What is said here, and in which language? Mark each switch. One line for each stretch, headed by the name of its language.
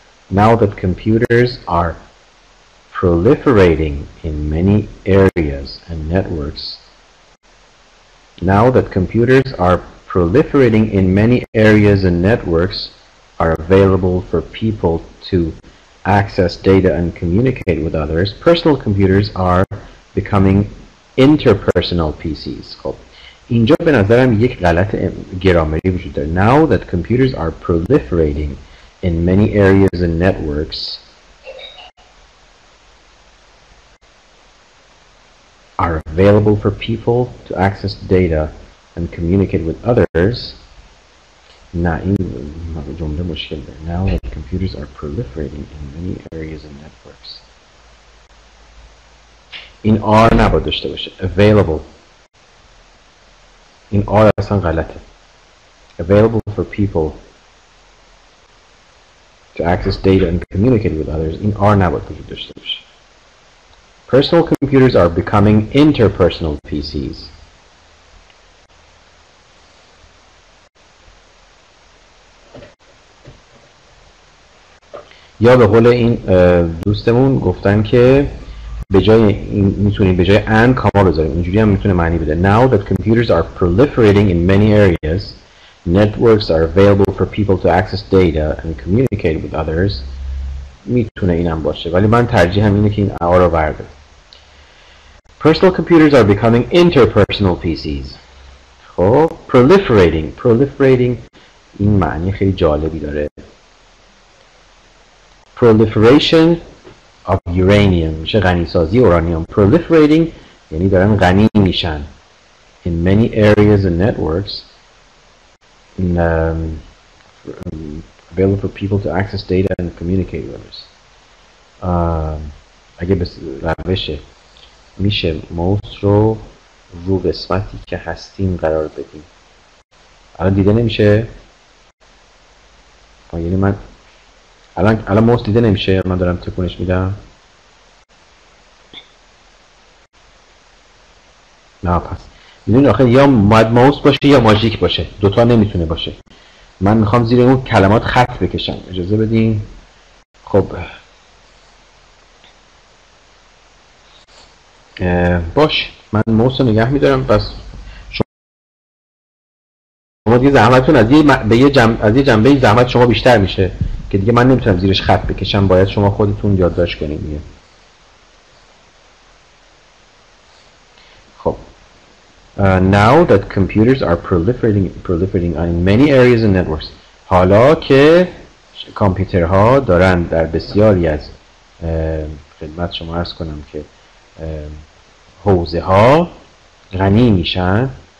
English: Now that computers are proliferating in many areas and networks, are available for people to access data and communicate with others. Personal computers are becoming interpersonal PCs.
Persian: خب اینجا به نظرم یک غلط گرامری وجود داره.
English: Now that computers are proliferating in many areas and networks, are available for people to access data and communicate with others.
Persian: نه این جمله مشکل داره.
English: Now that computers are proliferating in many areas and networks.
Persian: این R نباید داشته باشه. Available. این R اصلا غلطه.
English: Available for people to access data and communicate with others.
Persian: این R نباید داشته باشه.
English: Personal computers are becoming interpersonal PCs.
Persian: یا به قول این دوستمون گفتن که به جای این میتونی به جای and کاما بذاریم، اینجوری هم میتونه معنی بده.
English: Now that computers are proliferating in many areas, networks are available for people to access data and communicate with others.
Persian: میتونه اینم باشه، ولی من ترجیحم اینه که این آ رو بردارم.
English: Personal computers are becoming interpersonal PCs.
Persian: خب proliferating این معنی خیلی جالبی داره.
English: Proliferation of uranium.
Persian: میشه غنی سازی اورانیوم. Proliferating یعنی دارن غنی میشن.
English: In many areas and networks, available for people to access data and communicate with others.
Persian: اگه به روش میشه موس رو رو قسمتی که هستیم قرار بدیم. الان دیده نمیشه. یعنی من الان موس دیده نمیشه، من دارم تکونش میدم. نه پس میدونی آخه یا باید موس باشه یا ماجیک باشه، دوتا نمیتونه باشه. من میخوام زیر اون کلمات خط بکشم، اجازه بدین. خب باش، من موس رو نگه میدارم. پس شما شما دیگه زحمتتون از یه جنبه زحمت شما بیشتر میشه که دیگه من نمیتونم زیرش خط بکشم، باید شما خودتون یادداشت کنید.
English: Now that computers are proliferating in many areas and networks.
Persian: حالا که کامپیوترها دارن در بسیاری از خدمت شما عرض کنم که حوزه ها غنی میشن.